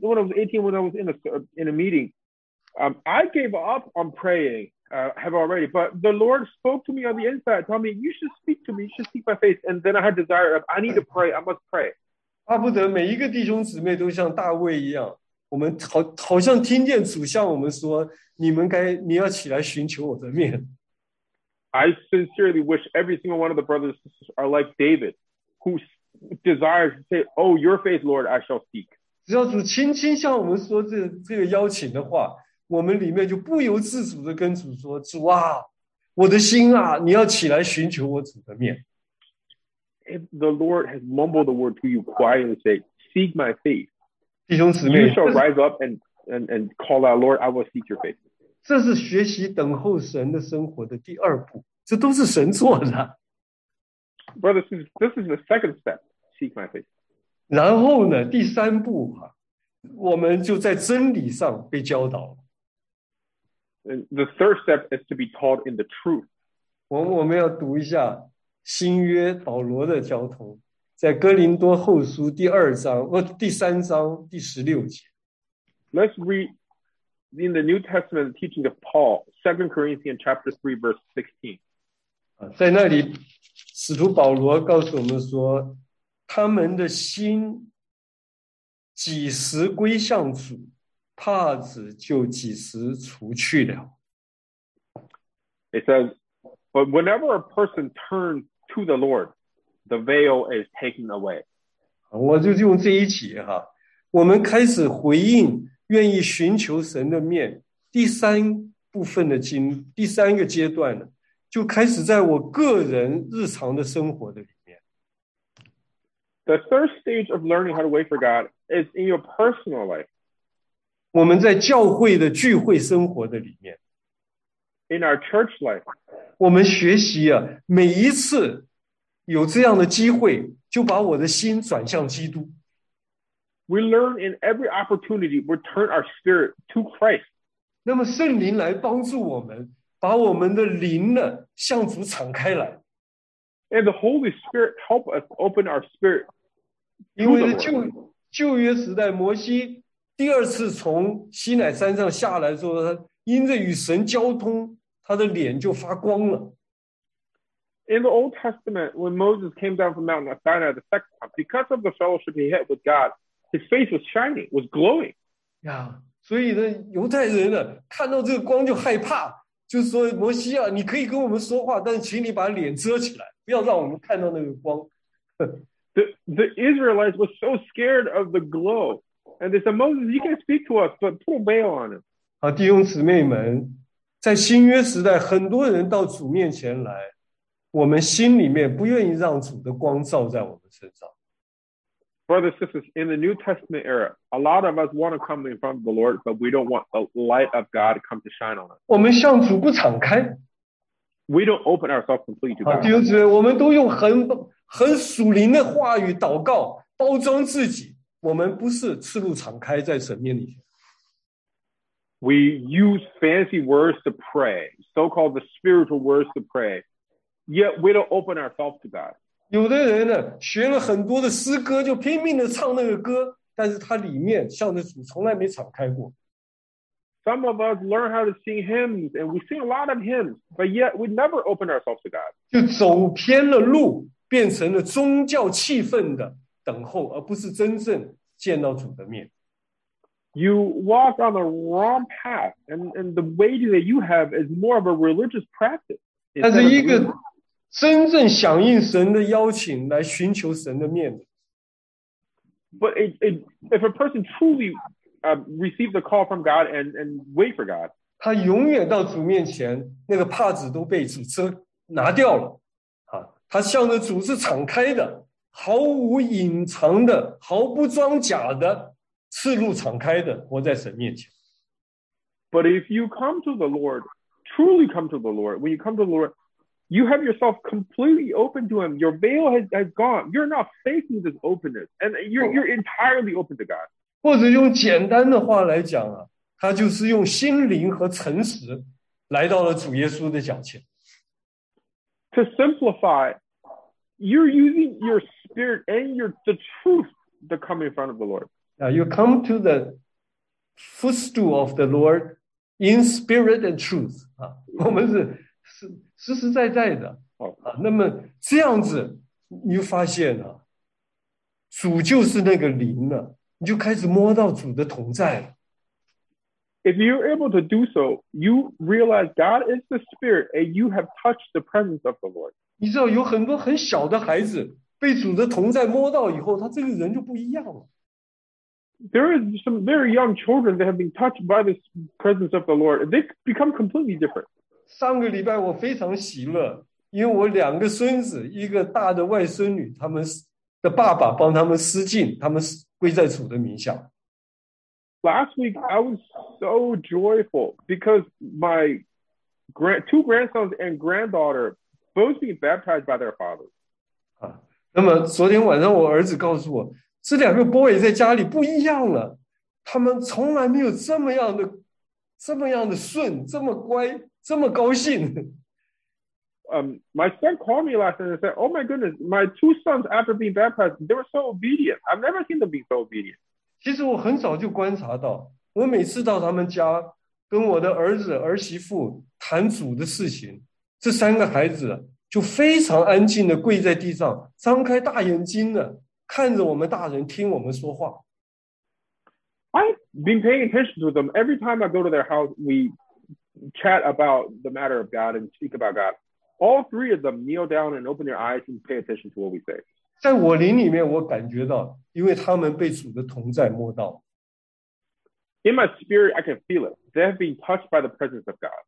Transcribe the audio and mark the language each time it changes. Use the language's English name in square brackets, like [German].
[English] when I was 18, when I was in a meeting, I gave up on praying, have already, but the Lord spoke to me on the inside, told me, you should speak to me, you should seek my face. And then I had desire of, I need to pray, I must pray. [Chinese] 巴不得每一个弟兄姊妹都像大卫一样，我们 好像听见主向我们说，你要起来寻求我的面。 [English] I sincerely wish every single one of the brothers are like David, who's desire to say, oh, your face, Lord, I shall seek. [Chinese] 只要主轻轻向我们说这个邀请的话，我们里面就不由自主的跟主说，主啊，我的心啊，你要起来寻求我主的面。 [English] If the Lord has mumbled the word to you quietly, say, seek my face. [Chinese] 弟兄姊妹， [English] you shall rise up and call out, Lord, I will seek your face. [Chinese] 这是学习等候神的生活的第二步，这都是神做的。 [English] Brothers, this is the second step. Seek my face. [Chinese] 然后呢，第三步啊，我们就在真理上被教导。 [English] And the third step is to be taught in the truth. [Chinese] 我们要读一下新约保罗的交通，在哥林多后书第二章，第三章第十六节。 [English] Let's read in the New Testament the teaching of Paul, 2 Corinthians chapter 3, verse 16. [Chinese] 在那里使徒保罗告诉我们说，他们的心几时归向主，帕子就几时除去了。 [English] It says, but whenever a person turns to the Lord, the veil is taken away. [Chinese] 我就用这一节哈，我们开始回应愿意寻求神的面，第三部分的经，第三个阶段呢，就开始在我个人日常的生活的里面。 [English] The third stage of learning how to wait for God is in your personal life. [Chinese] 我们在教会的聚会生活的里面。 [English] In our church life. [Chinese] 我们学习啊，每一次有这样的机会，就把我的心转向基督。 [English] We learn in every opportunity, we turn our spirit to Christ. [Chinese] 那么圣灵来帮助我们，把我们的灵呢向主敞开来。 [English] And the Holy Spirit help us open our spirit. [Chinese] 因为旧约时代，摩西第二次从西乃山上下来的时候，他因着与神交通，他的脸就发光了。 [English] In the Old Testament, when Moses came down from Mount Sinai the second time, because of the fellowship he had with God, his face was shining, was glowing. [Chinese] Yeah, 所以呢，犹太人呢看到这个光就害怕。就是说，摩西啊，你可以跟我们说话，但是请你把脸遮起来，不要让我们看到那个光。 [English] The Israelites were so scared of the glow, and they said, Moses, you can speak to us, but put a veil on him. [Chinese] 好，弟兄姊妹们，在新约时代，很多人到主面前来，我们心里面不愿意让主的光照在我们身上。 [English] Brothers and sisters, in the New Testament era, a lot of us want to come in front of the Lord, but we don't want the light of God to come to shine on us. [Chinese] 我们向主不敞开。 [English] We don't open ourselves completely to God. [Chinese] 弟兄姊妹，我们都用很属灵的话语祷告，包装自己。我们不是赤露敞开在神面里。 [English] We use fancy words to pray, so-called the spiritual words to pray, yet we don't open ourselves to God. [Chinese] 有的人呢，学了很多的诗歌，就拼命的唱那个歌，但是他里面向着主从来没敞开过。 [English] Some of us learn how to sing hymns, and we sing a lot of hymns, but yet we never open ourselves to God. [Chinese] 就走偏了路，变成了宗教气氛的等候，而不是真正见到主的面。 [English] You walk on the wrong path, and the waiting that you have is more of a religious practice. [Chinese] 但是一个真正响应神的邀请来寻求神的面子。 [English] But if a person truly receives the call from God and wait for God, [Chinese] 他永远到主面前，那个帕子都被主遮拿掉了。他向着主是敞开的，毫无隐藏的，毫不装假的。赤露敞开的活在神面前。 [English] But if you come to the Lord, truly come to the Lord, when you come to the Lord, you have yourself completely open to Him. Your veil has gone. You're not facing this openness, and you're entirely open to God. [Chinese] 或者用简单的话来讲啊，他就是用心灵和诚实来到了主耶稣的脚前。 [English] To simplify, you're using your spirit and the truth to come in front of the Lord. You come to the footstool of the Lord in spirit and truth. [Chinese] 我们是实实在在的。那么这样子你就发现了、主就是那个灵了，你就开始摸到主的同在了。 [English] If you're able to do so, you realize God is the spirit and you have touched the presence of the Lord. [Chinese] 你知道有很多很小的孩子被主的同在摸到以后，他这个人就不一样了。 [English] There are some very young children that have been touched by the presence of the Lord. They become completely different. [Chinese] 上个礼拜我非常喜乐，因为我两个孙子，一个大的外孙女，他们的爸爸帮他们施浸，他们归在主的名下。 [English] Last week I was so joyful because my two grandsons and granddaughter both being baptized by their fathers. [Chinese] 那么昨天晚上我儿子告诉我。这两个 boy 在家里不一样了，他们从来没有这么样的顺，这么乖，这么高兴。 [English] My son called me last night and said, "Oh my goodness, my two sons after being baptized, they were so obedient. I've never seen them be so obedient." [Chinese] 其实我很早就观察到，我每次到他们家跟我的儿子儿媳妇谈主的事情，这三个孩子就非常安静的跪在地上，张开大眼睛的。看着我们大人听我们说话。 [English] I've been paying attention to them. Every time I go to their house, we chat about the matter of God and speak about God. All three of them kneel down and open their eyes and pay attention to what we say. [Chinese] 在我灵里面，我感觉到，因为他们被主的同在摸到。 [English] In my spirit, I can feel it. They have been touched by the presence of God.